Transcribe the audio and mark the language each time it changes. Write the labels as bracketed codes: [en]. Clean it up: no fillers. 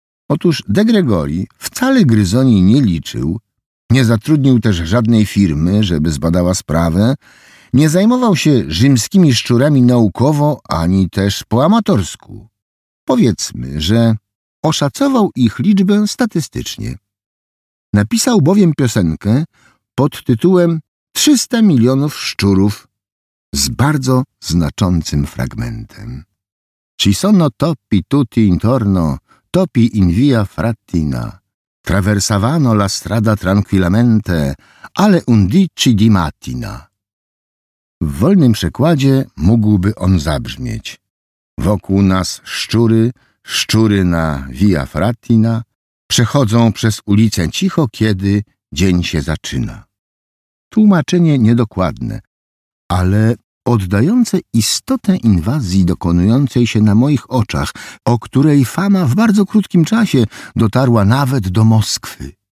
[pl] Otóż De Gregori wcale gryzoni nie liczył, nie zatrudnił też żadnej firmy, żeby zbadała sprawę, nie zajmował się rzymskimi szczurami naukowo, ani też po amatorsku. Powiedzmy, że oszacował ich liczbę statystycznie. Napisał bowiem piosenkę pod tytułem 300 milionów szczurów z bardzo znaczącym fragmentem. [it] Ci sono topi tutti intorno, topi in via frattina. Traversavano la strada tranquillamente, alle 11 di mattina. [pl] W wolnym przekładzie mógłby on zabrzmieć. Wokół nas szczury, szczury na Via Frattina, przechodzą przez ulicę cicho, kiedy dzień się zaczyna. Tłumaczenie niedokładne, ale oddające istotę inwazji dokonującej się na moich oczach, o której fama w bardzo krótkim czasie dotarła nawet do Moskwy.